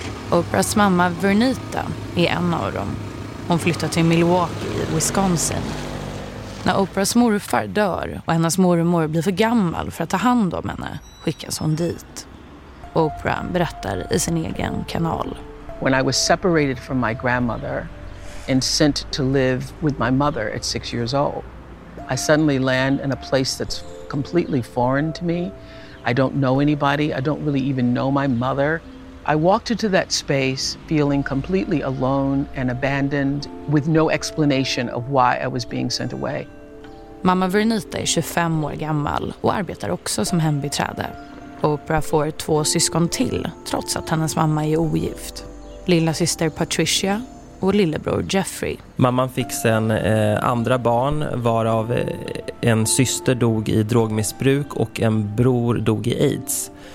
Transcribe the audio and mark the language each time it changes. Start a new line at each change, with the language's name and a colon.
Swedish: Oprahs mamma Vernita är en av dem. Hon flyttar till Milwaukee, Wisconsin. När Oprahs morfar dör och hennes mormor blir för gammal för att ta hand om henne skickas hon dit. Oprah berättar i sin egen kanal.
English: When I was separated from my grandmother and sent to live with my mother at 6 years old, I suddenly land in a place that's completely foreign to me. I don't know anybody. I don't really even know my mother. I walked into that space feeling completely alone and abandoned with no explanation of why I was being sent away.
Swedish: Mamma Vernita är 25 år gammal och arbetar också som hembiträde. Oprah får 2 syskon till trots att hennes mamma är ogift. Lilla syster Patricia och lillebror Jeffrey. Mamman fick sen andra barn varav en syster dog i drogmissbruk och en bror dog i AIDS.